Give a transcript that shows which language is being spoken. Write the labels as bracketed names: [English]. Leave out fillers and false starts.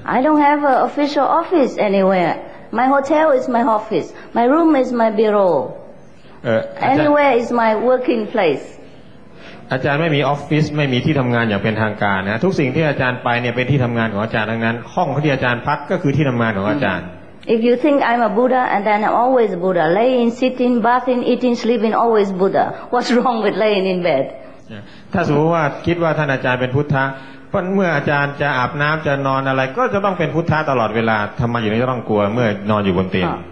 [English] I don't have an official office anywhere. My hotel is my office. My room is my bureau. Anywhere is my working place. [Thai] อาจารย์ไม่มีออฟฟิศไม่มีที่ทำงานอย่างเป็นทางการนะทุกสิ่งที่อาจารย์ไปเนี่ยเป็นที่ทำงานของอาจารย์ทั้งนั้นห้องที่อาจารย์พักก็คือที่ทำงานของอาจารย์ [English] If you think I'm a Buddha and then I'm always a Buddha, laying, sitting, bathing, eating, sleeping, always Buddha. What's wrong with laying in bed? [Thai] ถ้าสมมติว่าคิดว่าท่านอาจารย์เป็นพุทธะเพราะเมื่ออาจารย์จะอาบน้ำจะนอนอะไรก็จะต้องเป็นพุทธะตลอดเวลาทำไมอยู่ในจะต้องกลัวเมื่อนอนอยู่บนเตียง